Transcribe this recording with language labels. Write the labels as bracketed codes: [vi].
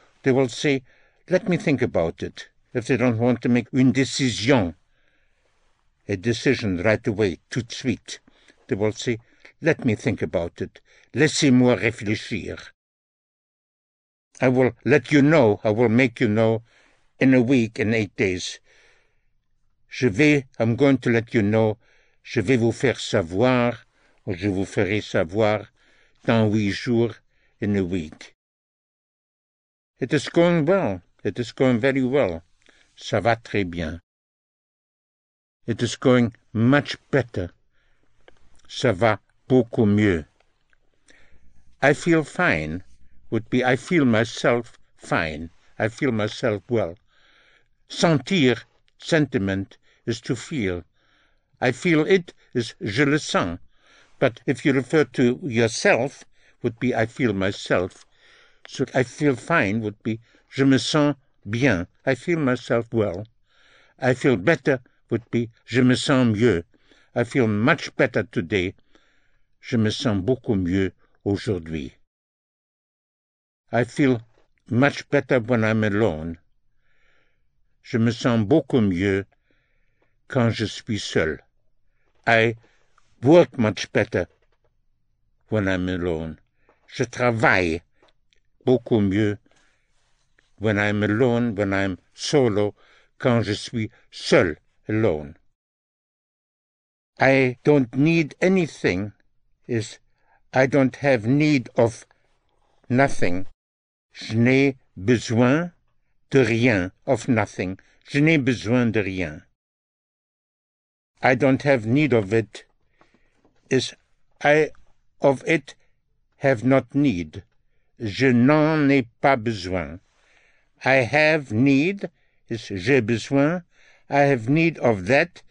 [en] They will say, let me think about it, if they don't want to make [fr] une décision. [en] A decision right away, [fr] tout de suite. [en] They will say, let me think about it. [fr] Laissez-moi réfléchir. [en] I will let you know, I will make you know in a week, in 8 days. [fr] Je vais, [en] I'm going to let you know, [fr] je vais vous faire savoir, ou je vous ferai savoir dans 8 jours, [en] in a week. It is going well, it is going very well. [fr] Ça va très bien. [en] It is going much better. [fr] Ça va beaucoup mieux. [en] I feel fine would be I feel myself fine. I feel myself well. Sentir, sentiment, is to feel. I feel it is [fr] je le sens. [en] But if you refer to yourself, would be I feel myself. So I feel fine would be [fr] je me sens bien. [en] I feel myself well. I feel better would be, [fr] je me sens mieux. [en] I feel much better today. [fr] Je me sens beaucoup mieux aujourd'hui. [en] I feel much better when I'm alone. [fr] Je me sens beaucoup mieux quand je suis seul. [en] I work much better when I'm alone. [fr] Je travaille beaucoup mieux [en] when I'm alone, when I'm solo, [fr] quand je suis seul. [en] Alone. I don't need anything is I don't have need of nothing. [fr] Je n'ai besoin de rien, [en] of nothing. [fr] Je n'ai besoin de rien. [en] I don't have need of it is I of it have not need. [fr] Je n'en ai pas besoin. [en] I have need is [fr] j'ai besoin. [en] I have need of that.